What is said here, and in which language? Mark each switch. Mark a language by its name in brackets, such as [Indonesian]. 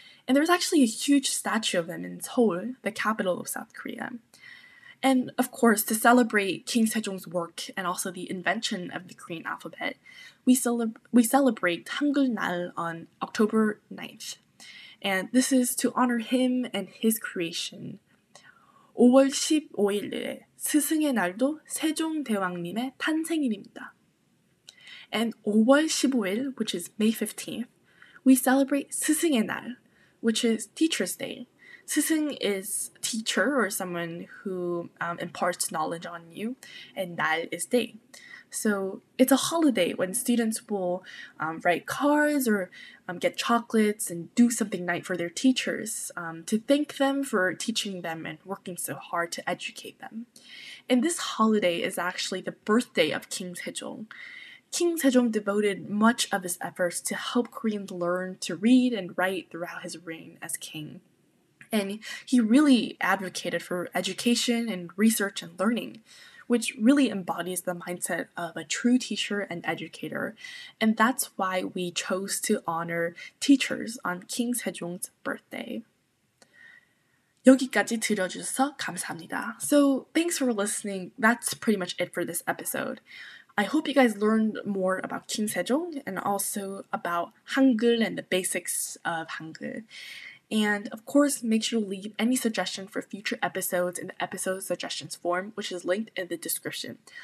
[English] And there's actually a huge statue of him in Seoul, the capital of South Korea. And of course, to celebrate King Sejong's work and also the invention of the Korean alphabet, we celebrate Hangul Nal on October 9th. And this is to honor him and his creation. [Korean] 5월 15일에 스승의 날도 세종 대왕님의 탄생일입니다. [English] And [Korean] 5월 15일, [English] which is May 15th, we celebrate 스승의 날, which is Teacher's Day. 스승 is teacher or someone who imparts knowledge on you, and 날 is day. So it's a holiday when students will write cards or get chocolates and do something nice for their teachers to thank them for teaching them and working so hard to educate them. And this holiday is actually the birthday of King Sejong. King Sejong devoted much of his efforts to help Koreans learn to read and write throughout his reign as king. And he really advocated for education and research and learning, which really embodies the mindset of a true teacher and educator. And that's why we chose to honor teachers on King Sejong's birthday. [Korean] 여기까지 들어주셔서 감사합니다. [English] So thanks for listening. That's pretty much it for this episode. I hope you guys learned more about King Sejong and also about Hangul and the basics of Hangul. And of course, make sure to leave any suggestion for future episodes in the episode suggestions form, which is linked in the description.